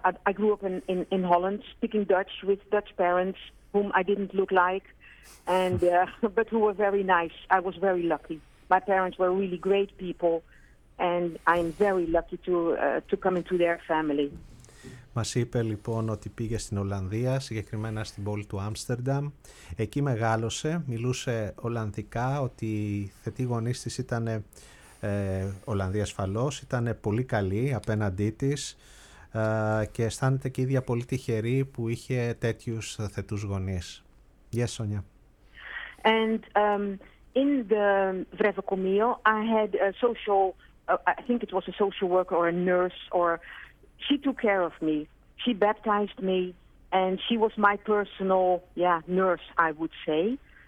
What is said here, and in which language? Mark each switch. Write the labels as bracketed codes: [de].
[en] I grew up in Holland, speaking Dutch with Dutch parents whom I didn't look like, and but who were very nice. I was very lucky. My parents were really great people, and I'm very lucky to come into their family. [el] Μας είπε λοιπόν ότι πήγε στην Ολλανδία, συγκεκριμένα στην πόλη του Άμστερνταμ. Εκεί μεγάλωσε, μιλούσε Ολλανδικά, ότι οι θετοί γονείς της ήταν Ολλανδοί ασφαλώς, ήταν πολύ καλοί απέναντί της και αισθάνεται και η ίδια πολύ τυχερή που είχε τέτοιους θετούς γονείς. Γεια σας, Σόνια. [en] And in the βρεφοκομείο, I had a social, I think it was a social worker or a nurse or... She took care of me. She baptized me, and she was my personal, nurse, I would say.